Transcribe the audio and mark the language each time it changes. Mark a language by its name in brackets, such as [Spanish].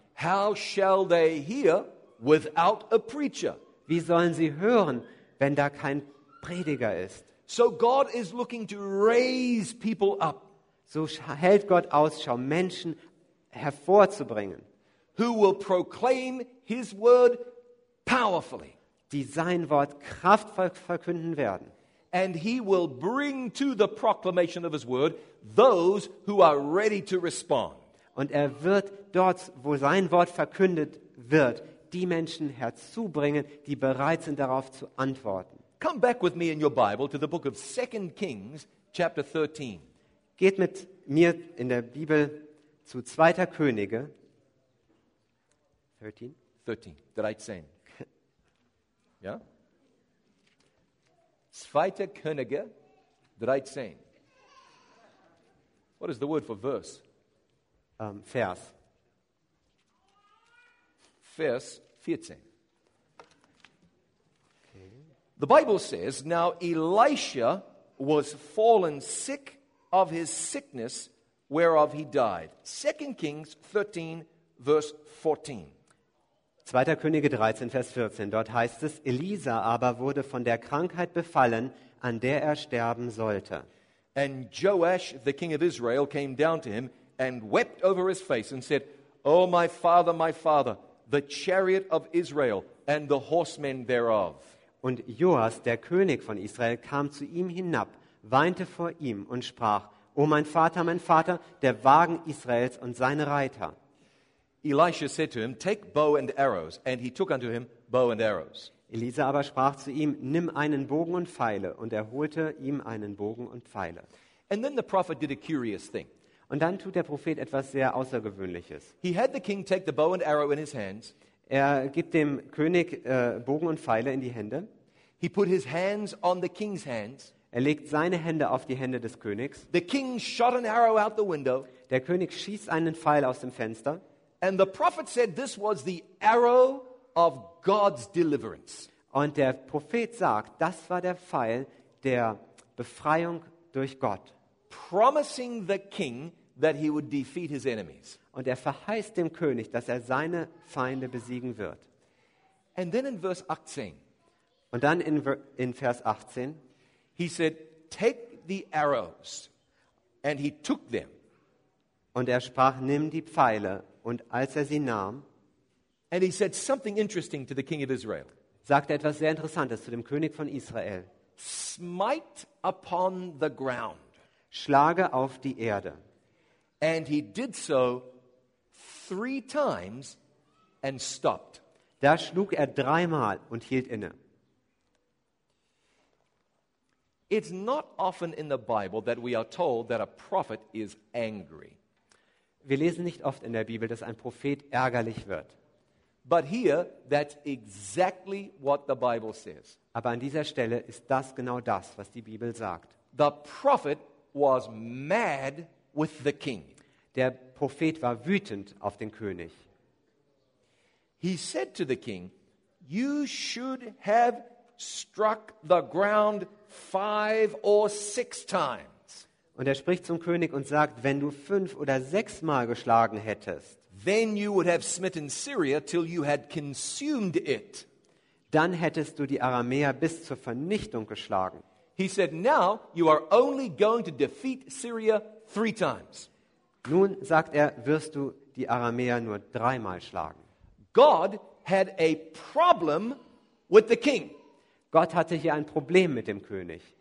[English] how shall they hear without a preacher? [German] Wie sollen sie hören, wenn da kein Prediger ist? [English] So God is looking to raise people up. [German] So hält Gott Ausschau, Menschen hervorzubringen, [English] who will proclaim his word powerfully. [German] Die sein Wort kraftvoll verkünden werden. [English] And he will bring to the proclamation of his word those who are ready to respond. [German] Und er wird dort, wo sein Wort verkündet wird, die Menschen herzubringen, die bereit sind, darauf zu antworten. [English] Come back with me in your Bible to the book of 2 Kings, chapter 13. [German] Geht mit mir in der Bibel zu 2. Könige. 13. Ja? 2. Könige, 13. [English] What is the word for verse? [German] Vers. Vers 14. Okay. [English] The Bible says, now Elisha was fallen sick of his sickness whereof he died. 2 Kings 13, verse 14. [German] 2. Könige 13, Vers 14. Dort heißt es, Elisa aber wurde von der Krankheit befallen, an der er sterben sollte. [English] And Joash, the king of Israel, came down to him and wept over his face and said, oh, my father, the chariot of Israel and the horsemen thereof. [German] Und Joas, der König von Israel, kam zu ihm hinab, weinte vor ihm und sprach, o mein Vater, der Wagen Israels und seine Reiter. [English] Elisha said to him, take bow and arrows, and he took unto him bow and arrows. [German] Elisa aber sprach zu ihm, nimm einen Bogen und Pfeile, und holte ihm einen Bogen und Pfeile. [English] And then the prophet did a curious thing. [German] Und dann tut der Prophet etwas sehr Außergewöhnliches. [English] He had the king take the bow and arrow in his hands. [German] Er gibt dem König Bogen und Pfeile in die Hände. [English] He put his hands on the king's hands. [German] Er legt seine Hände auf die Hände des Königs. [English] The king shot an arrow out the window. [German] Der König schießt einen Pfeil aus dem Fenster. [English] And the prophet said this was the arrow of God's deliverance. [German] Und der Prophet sagt, das war der Pfeil der Befreiung durch Gott. [English] Promising the king that he would defeat his enemies. [German] Und verheißt dem König, dass seine Feinde besiegen wird. [English] And then in verse 18. [German] Und dann in Vers 18. [English] He said, take the arrows. And he took them. [German] Und sprach, nimm die Pfeile. Und als sie nahm. [English] And he said something interesting to the king of Israel. [German] Sagte etwas sehr Interessantes zu dem König von Israel. [English] Smite upon the ground. [German] Schlage auf die Erde. [English] And he did so 3 times and stopped. [German] Da schlug dreimal und hielt inne. [English] It's not often in the Bible that we are told that a prophet is angry. [German] Wir lesen nicht oft in der Bibel, dass ein Prophet ärgerlich wird. [English] But here, that's exactly what the Bible says. [German] Aber an dieser Stelle ist das genau das, was die Bibel sagt. [English] The prophet was mad with the king. [German] Der Prophet war wütend auf den König. [English] He said to the king, you should have struck the ground 5 or 6 times. [German] Und spricht zum König und sagt, wenn du 5 oder 6 Mal geschlagen hättest, [English] then you would have smitten Syria till you had consumed it. [German] Dann hättest du die Aramäer bis zur Vernichtung geschlagen. [English] He said, now you are only going to defeat Syria 3 times. [German] Nun sagt die Aramäer nur dreimal schlagen. [English] God had a problem with the king. [German] Gott hatte hier ein Problem mit dem König.